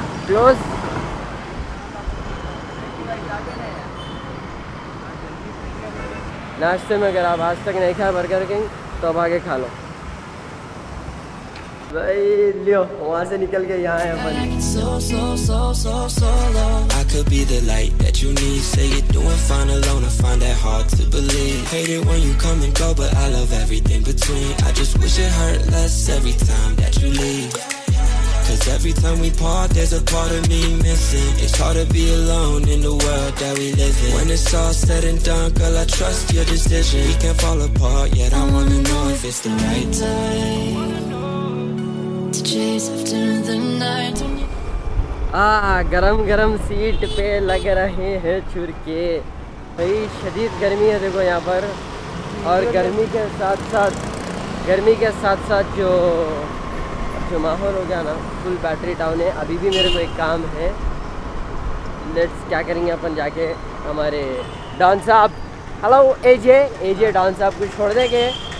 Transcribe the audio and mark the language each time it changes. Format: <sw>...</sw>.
<hi>Close नाश्ते में अगर आप आज तक नहीं खाए बर्गर किंग तो अब आगे खा लो भाई। लियो वहाँ से निकल के यहाँ है अपन।</hi> <en>Could be the light that you need. Say you're doing fine alone. I find that hard to believe. Hate it when you come and go, but I love everything between. I just wish it hurt less every time that you leave. 'Cause every time we part, there's a part of me missing. It's hard to be alone in the world that we live in. When it's all said and done, girl, I trust your decision. We can't fall apart yet. I wanna know if it's the right time to chase after the night.</en> <hi>गरम गरम seat पे लग रहे हैं चुरके भाई। शदीद गर्मी है देखो यहाँ पर, और गर्मी के साथ साथ जो माहौल हो गया ना, फुल बैटरी डाउन है। अभी भी मेरे को एक काम है। लेट्स क्या करेंगे अपन, जाके हमारे डॉन साहब, हेलो एजे डॉन साहब को छोड़ देंगे।</hi>